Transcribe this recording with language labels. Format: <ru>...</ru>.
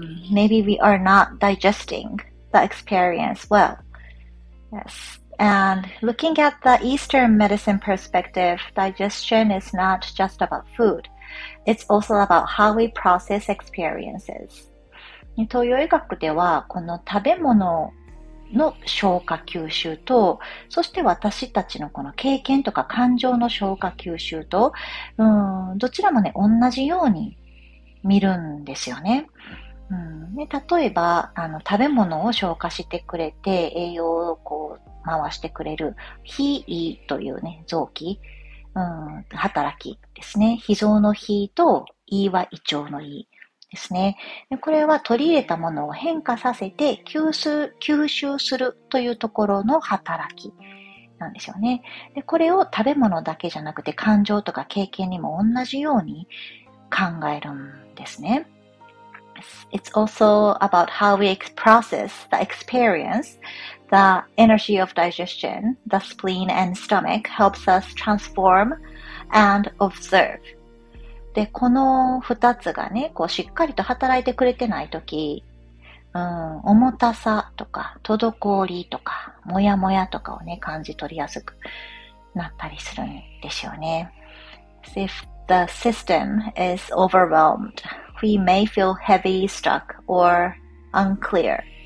<en>Maybe we are not digesting the experience well. Yes. And looking at the Eastern medicine perspective, digestion is not just about food. It's also about how we process experiences.</en> <ja>東洋医学では、この食べ物の消化吸収と、そして私たちのこの経験とか感情の消化吸収と、どちらもね、同じように見るんですよね。例えば、食べ物を消化してくれて、栄養をこう、回してくれる、脾というね、臓器、働きですね。脾臓の脾と、胃は胃腸の胃ですね。これは取り入れたものを変化させて吸収するというところの働きなんですよね。で、これを食べ物だけじゃなくて、感情とか経験にも同じように考えるんですね。</ja> <en>It's also about how we process the experience. The energy of digestion, the spleen and stomach helps us transform and observe.</en> <ja>で、この二つがね、こうしっかりと働いてくれてないとき、重たさとか、滞りとか、もやもやとかをね、感じ取りやすくなったりするんですよね。</ja> <en>If the system is overwhelmed. We may feel heavy, stuck, or unclear.</en>